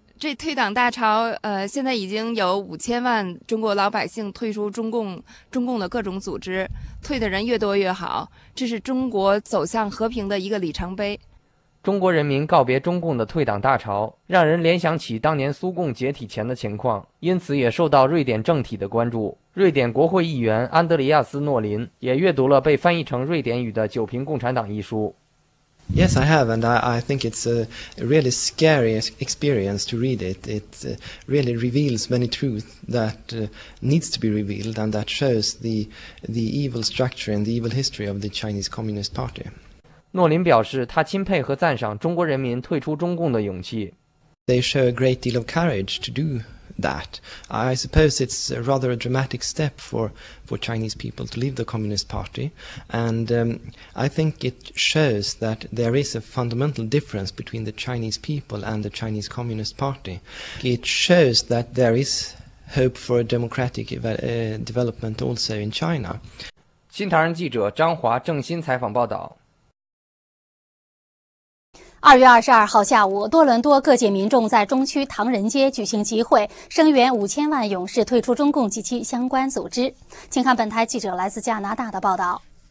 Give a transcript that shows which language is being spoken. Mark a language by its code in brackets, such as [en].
[zh] 这退党大潮现在已经有5000万中国老百姓退出中共的各种组织，退的人越多越好，这是中国走向和平的一个里程碑。中国人民告别中共的退党大潮，让人联想起当年苏共解体前的情况，因此也受到瑞典政体的关注。瑞典国会议员安德里亚斯·诺林也阅读了被翻译成瑞典语的《九瓶共产党》一书。 [en] Yes, I have, and I think it's a really scary experience to read it. It really reveals many truths that needs to be revealed, and that shows the evil structure and the evil history of the Chinese Communist Party. [zh] 诺林表示，他钦佩和赞赏中国人民退出中共的勇气。 [en] They show a great deal of courage to do that. I suppose it's rather a dramatic step for Chinese people to leave the Communist Party, and I think it shows that there is a fundamental difference between the Chinese people and the Chinese Communist Party. It shows that there is hope for a democratic development also in China. [zh] 新唐人记者张华、郑欣采访报道。 2月22号下午，多伦多各界民众在中区唐人街举行集会，声援5000万勇士退出中共及其相关组织。请看本台记者来自加拿大的报道。